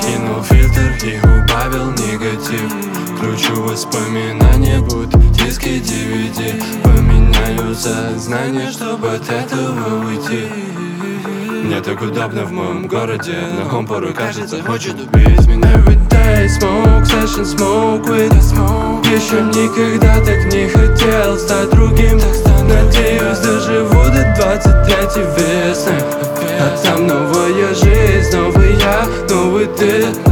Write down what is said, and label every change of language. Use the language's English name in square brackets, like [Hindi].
[Russian] Кинул фильтр и убавил негатив. Кручу воспоминания, будто диски DVD. Поменяю сознание, чтобы от этого уйти. Мне так удобно в моем городе. Но он порой кажется хочет убить меня. [English] Every day smoke session, smoke with the smoke. [Russian] Еще никогда так не хотел стать другим. Надеюсь, доживу до 23 весны. А там новая жизнь, новый я, новый ты.